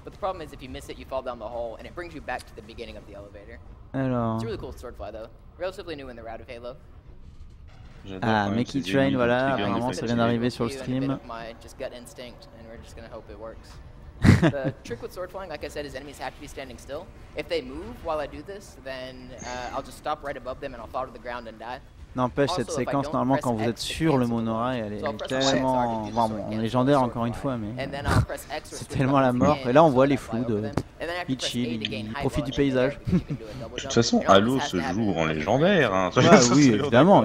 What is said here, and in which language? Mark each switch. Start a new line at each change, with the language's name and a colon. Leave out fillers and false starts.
English: But the problem is if you miss it, you fall down the hole and it brings you back to the beginning of the elevator. Alors. It's a really cool sword fly though. Relatively new in the route of Halo.
French: Ah, Mickey Train, voilà, apparemment ça vient d'arriver sur le stream.
English: My just gut instinct and we're just gonna hope it works. The trick with sword flying, like I said, is enemies have to be standing still. If they move while I do this, then I'll just stop right above them and I'll fall to the ground and die.
French: N'empêche, cette séquence, normalement, quand vous êtes sur le monorail, elle est tellement légendaire, encore une fois, mais c'est tellement la mort. Et là, on voit les flous de Ichi, il profite du paysage. De toute façon, Halo se joue en légendaire. Hein. Ah, oui, évidemment.